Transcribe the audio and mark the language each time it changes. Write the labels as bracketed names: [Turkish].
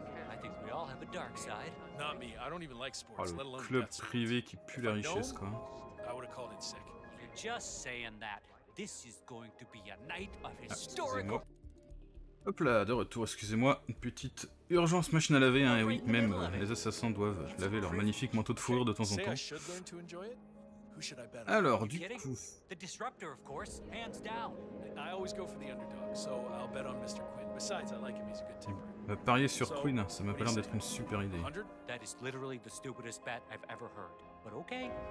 [English] I think we all have a dark side. Not me. I don't even like sports, let alone [French] club privé qui pue la richesse quoi. [English] I would have called it sick. You're just saying that. This is going to be a night of historical... [French] Ah, hop là, de retour, excusez-moi, une petite urgence machine à laver, hein, et oui, même les assassins doivent laver leur magnifique manteau de fourrure de temps en temps. Alors, du coup... [English] The disruptor, of course, hands down. I always go for the underdog, so I'll bet on Mr. Quinn. Besides, I like him, he's a good temper. [French] Parier sur Quinn, ça m'a pas l'air d'être une super idée. [English] That is literally the stupidest bet I've ever heard, but okay.